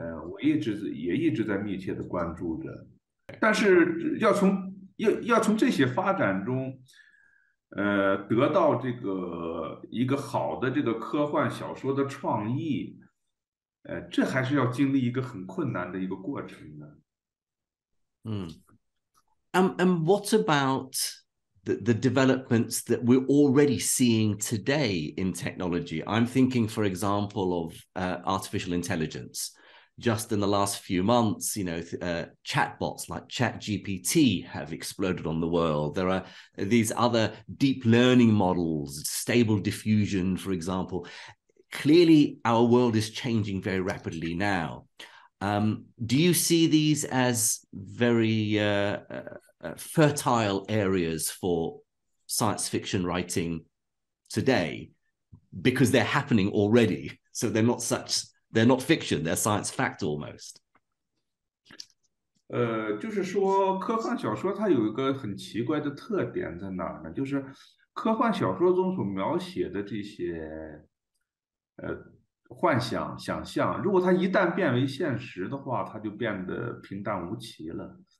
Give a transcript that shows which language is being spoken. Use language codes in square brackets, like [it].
[zh] 我一直在密切的关注着，但是要从这些发展中，得到这个一个好的这个科幻小说的创意，这还是要经历一个很困难的一个过程的。 [en] And what about the developments that we're already seeing today in technology? I'm thinking, for example, of artificial intelligence. Just in the last few months, you know, chatbots like ChatGPT have exploded on the world. There are these other deep learning models, stable diffusion, for example. Clearly, our world is changing very rapidly now. Do you see these as very fertile areas for science fiction writing today? Because they're happening already, so they're not such... They're not fiction, they're science fact almost. [zh] 就是说科幻小说它有一个很奇怪的特点在哪儿呢？就是科幻小说中所描写的这些幻想、想象，如果它一旦变为现实的话，它就变得平淡无奇了。